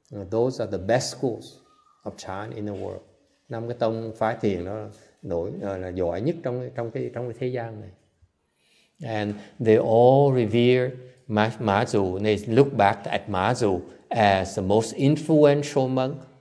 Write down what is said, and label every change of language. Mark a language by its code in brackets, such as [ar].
[en] Those are the best schools of Chan in the world. [vi] Năm cái tông phái thiền đó là giỏi nhất trong cái thế gian này. [en] And they all revere Mã Dụ. They look back at Mã Dụ as the most influential monk.